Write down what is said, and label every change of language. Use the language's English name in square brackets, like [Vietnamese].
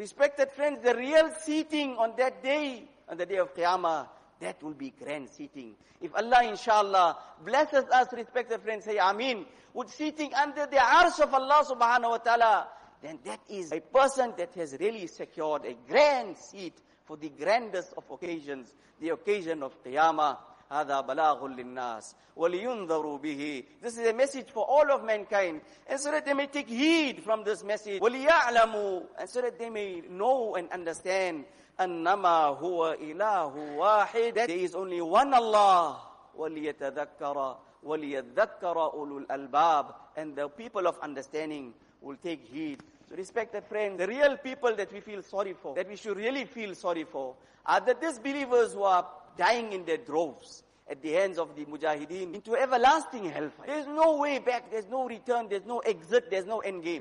[English] Respected friends, the real seating on that day, on the day of Qiyamah, that will be grand seating. If Allah inshallah blesses us, respected friends, say Ameen, with seating under the arsh of Allah subhanahu wa ta'ala, then that is a person that has really secured a grand seat for the grandest of occasions, the occasion of Qiyamah. [Arabic] هذا بلاغ للناس ولينذروا به. [English] This is a message for all of mankind, and so that they may take heed from this message. [Arabic] وليعلموا, [English] and so that they may know and understand. [Arabic] أنما هو إله واحد. [English] There is only one Allah. [Arabic] وليتذكر وليتذكر أولو الألباب. [English] And the people of understanding will take heed. So respected friend, the real people that we feel sorry for, that we should really feel sorry for, are the disbelievers who are dying in their droves at the hands of the mujahideen into everlasting hellfire. There's no way back, there's no return, there's no exit, there's no end game.